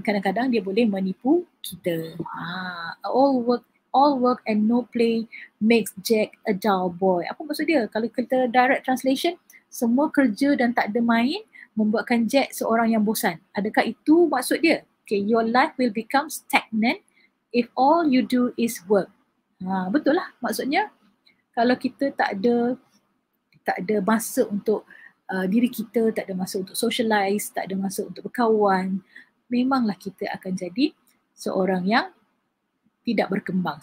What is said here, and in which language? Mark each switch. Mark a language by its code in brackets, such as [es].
[ms] Kadang-kadang dia boleh menipu kita. [en] All work and no play makes Jack a dull boy. [ms] Apa maksud dia? Kalau kita direct translation, semua kerja dan tak ada main membuatkan Jack seorang yang bosan. Adakah itu maksud dia? [en] Okay, your life will become stagnant if all you do is work. [ms] Betul lah maksudnya. Kalau kita tak ada masa untuk diri kita, tak ada masa untuk socialize, tak ada masa untuk berkawan, memanglah kita akan jadi seorang yang tidak berkembang.